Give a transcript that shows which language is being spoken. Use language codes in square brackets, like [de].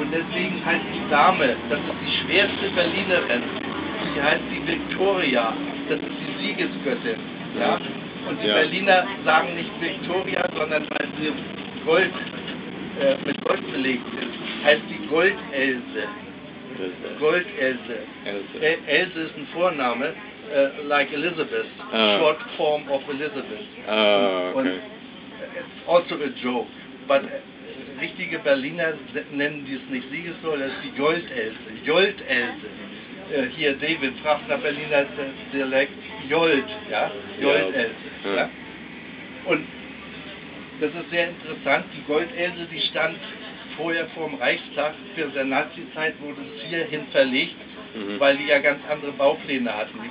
[de] Und deswegen heißt die Dame, das ist die schwerste Berlinerin, die heißt die Victoria, das ist die Siegesgöttin. Ja? Und die ja. Berliner sagen nicht Victoria, sondern weil sie Gold, mit Gold belegt ist, heißt die Goldelse. Goldelse. Else. Else ist ein Vorname, [en] like Elizabeth, short form of Elizabeth. Okay. It's also a joke, but [de] richtige Berliner nennen dies nicht Siegessäule, das ist die Gold-Else. Gold-Else. Hier David fragt nach Berliner Dialekt, Jolt, ja? Jolt-Else. Ja. Und das ist sehr interessant, die Gold-Else, die stand vorher vor dem Reichstag, während der Nazi-Zeit wurde es hierhin verlegt, weil die ja ganz andere Baupläne hatten.